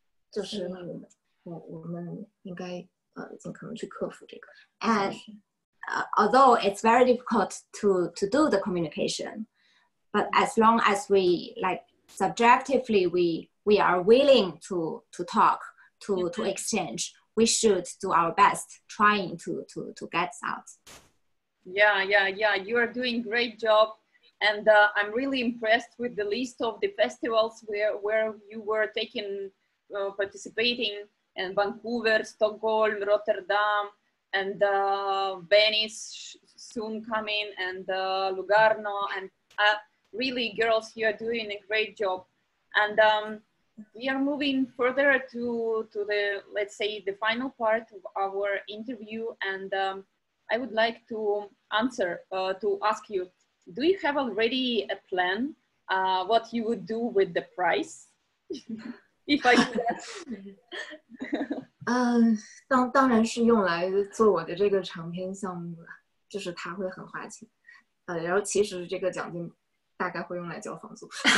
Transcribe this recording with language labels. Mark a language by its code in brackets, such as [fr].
[zh] 就是我们应该尽可能去克服这个。 [en] And although it's very difficult to do the communication, but as long as we like subjectively we are willing to talk, to exchange, we should do our best trying to get out. Yeah, you are doing great job. And I'm really impressed with the list of the festivals where you were taking, participating in Vancouver, Stockholm, Rotterdam, and Venice soon coming, and Lugarno. And really, girls, you are doing a great job. And we are moving further to the, let's say, the final part of our interview. And I would like to answer, to ask you, do you have already a plan what you would do with the prize? If I could ask. [zh] 当然是用来做我的这个长篇项目了，就是它会很花钱，然后其实这个奖金大概会用来交房租。